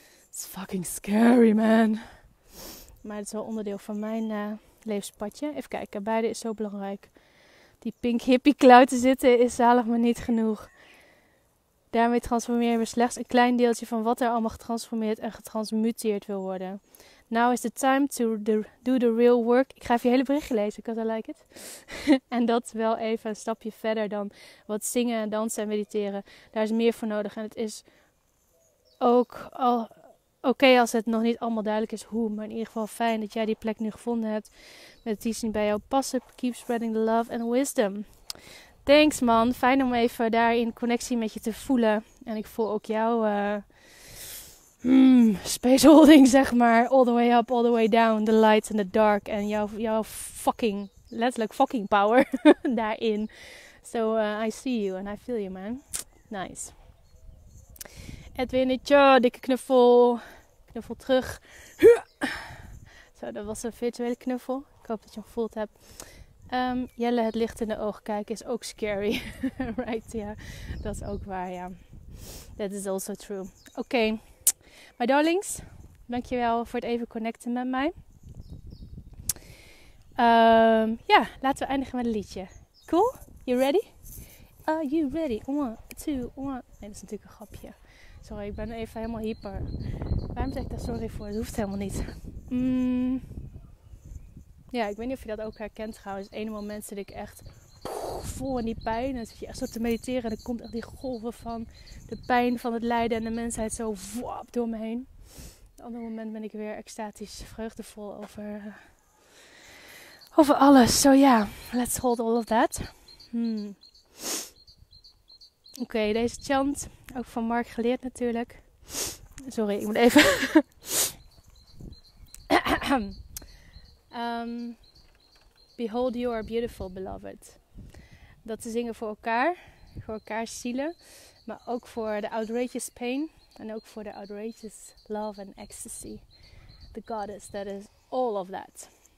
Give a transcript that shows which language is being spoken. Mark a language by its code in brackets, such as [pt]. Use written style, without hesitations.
[en] It's fucking scary, man. [nl] Maar het is wel onderdeel van mijn levenspadje. Even kijken, beide is zo belangrijk. Die pink hippie kluiten zitten is zalig, maar niet genoeg. Daarmee transformeren we slechts een klein deeltje van wat er allemaal getransformeerd en getransmuteerd wil worden. [en] Now is the time to do the real work. [nl] Ik ga even je hele berichtje lezen, [en] because I like it. [nl] En dat wel even een stapje verder dan wat zingen, dansen en mediteren. Daar is meer voor nodig. En het is ook al oké, als het nog niet allemaal duidelijk is hoe. Maar in ieder geval fijn dat jij die plek nu gevonden hebt. Met het iets die bij jou passen. [en] Keep spreading the love and wisdom. Thanks man, [nl] fijn om even daar in connectie met je te voelen. En ik voel ook jouw space holding, zeg maar. [en] All the way up, all the way down. The light and the dark. [nl] En jouw fucking, letterlijk fucking power daarin. [en] So I see you and I feel you, man. [nl] Nice. Edwin, tja, dikke knuffel. Knuffel terug. Zo, dat was een virtuele knuffel. Ik hoop dat je hem gevoeld hebt. Jelle, het licht in de ogen kijken is ook scary. Right, ja. Yeah. Dat is ook waar, ja. Yeah. [en] That is also true. [nl] Oké. [en] My darlings, [nl] dankjewel voor het even connecten met mij. Ja, laten we eindigen met een liedje. [en] Cool? You ready? Are you ready? One, two, one. [nl] Nee, dat is natuurlijk een grapje. Sorry, ik ben even helemaal hyper. Waarom zeg ik daar sorry voor? Het hoeft helemaal niet. Ja, ik weet niet of je dat ook herkent trouwens. Eén moment zit ik echt vol in die pijn. En zit je echt zo te mediteren. En dan komt echt die golven van de pijn van het lijden en de mensheid zo wop door me heen. Op een ander moment ben ik weer extatisch vreugdevol over alles. [en] So yeah, let's hold all of that. [nl] Oké, deze chant. Ook van Mark geleerd natuurlijk. Sorry, ik moet even... [en] Behold you are beautiful, beloved. [nl] Dat te zingen voor elkaar. Voor elkaars zielen. Maar ook voor de [en] outrageous pain. [nl] En ook voor de [en] outrageous love and ecstasy. The goddess that is all of that.